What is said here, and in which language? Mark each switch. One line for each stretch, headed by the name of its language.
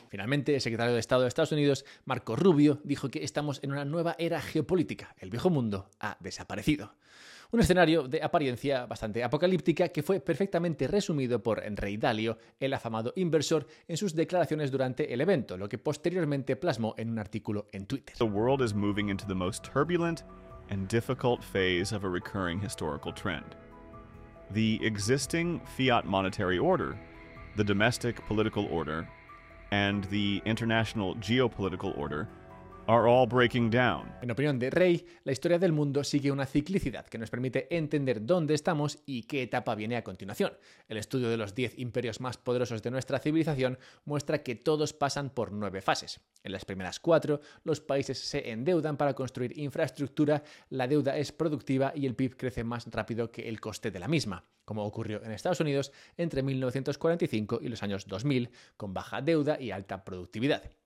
Spanish: Finalmente, el secretario de Estado de Estados Unidos, Marco Rubio, dijo que estamos en una nueva era geopolítica. El viejo mundo ha desaparecido. Un escenario de apariencia bastante apocalíptica que fue perfectamente resumido por Ray Dalio, el afamado inversor, en sus declaraciones durante el evento, lo que posteriormente plasmó en un artículo en Twitter.
English: The world is moving into the most turbulent and difficult phase of a recurring historical trend. The existing fiat monetary order, the domestic political order, and the international geopolitical order are all breaking down.
Spanish: En opinión de Rey, la historia del mundo sigue una ciclicidad que nos permite entender dónde estamos y qué etapa viene a continuación. El estudio de los 10 imperios más poderosos de nuestra civilización muestra que todos pasan por 9 fases. En las primeras 4, los países se endeudan para construir infraestructura, la deuda es productiva y el PIB crece más rápido que el coste de la misma, como ocurrió en Estados Unidos entre 1945 y los años 2000, con baja deuda y alta productividad.